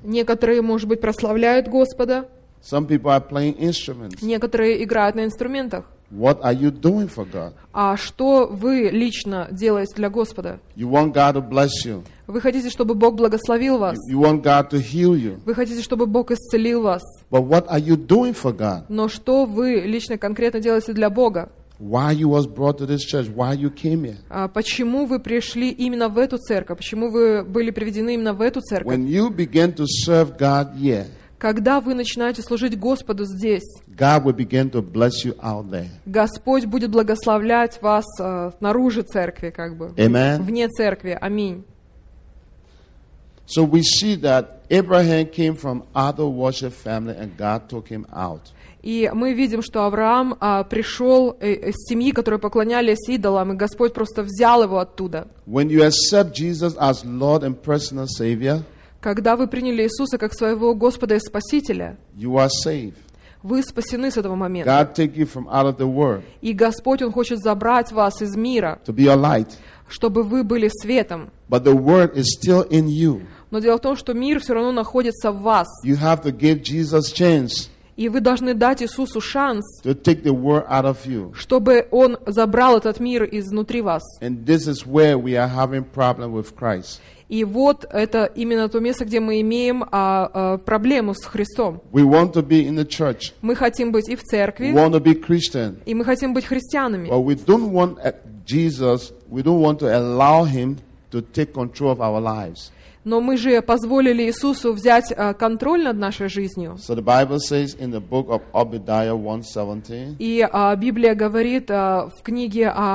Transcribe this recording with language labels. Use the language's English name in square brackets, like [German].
[Russian] Некоторые, может быть, прославляют Господа. [English] Some people are playing instruments. [Russian] Некоторые играют на инструментах. [English] What are you doing for God? [Russian] А что вы лично делаете для Господа? [English] You want God to bless you. [Russian] Вы хотите, чтобы Бог благословил вас. [English] You want God to heal you. [Russian] Вы хотите, чтобы Бог исцелил вас. [English] But what are you doing for God? [Russian] Но что вы лично конкретно делаете для Бога? [English] Why you was brought to this church? Why you came here? [Russian] Почему вы пришли именно в эту церковь? Почему вы были приведены именно в эту церковь? [English] When you begin to serve God here, [Russian] когда вы начинаете служить Господу здесь, [English] God will begin to bless you out there. [Russian] Господь будет благословлять вас снаружи церкви, как бы. [English] Amen. [Russian] Вне церкви. Аминь. [English] So we see that Abraham came from other worship family, and God took him out. [Russian] И мы видим, что Авраам пришел из семьи, которые поклонялись идолам, и Господь просто взял его оттуда. [English] When you accept Jesus as Lord and personal Savior, [Russian] когда вы приняли Иисуса как своего Господа и Спасителя, [English] you are saved. [Russian] Вы спасены с этого момента. [English] God take you from out of the world. [Russian] И Господь, Он хочет забрать вас из мира, [English] to be a light. [Russian] Чтобы вы были светом. [English] But the word is still in you. [Russian] Но дело в том, что мир все равно находится в вас. [English] You have to give Jesus chance. [Russian] И вы должны дать Иисусу шанс, [English] to take the world out of you. [Russian] Чтобы Он забрал этот мир изнутри вас. [English] And this is where we are having problem with Christ. [Russian] И вот это именно то место, где мы имеем проблему с Христом. [English] We want to be in the church. [Russian] Мы хотим быть и в церкви. [English] We want to be Christian. [Russian] И мы хотим быть христианами. [English] But we don't want Jesus, we don't want to allow Him to take control of our lives. [Russian] Но мы же позволили Иисусу взять контроль над нашей жизнью. [English] So the Bible says in the book of Obadiah 1:17. [Russian] И Библия говорит в книге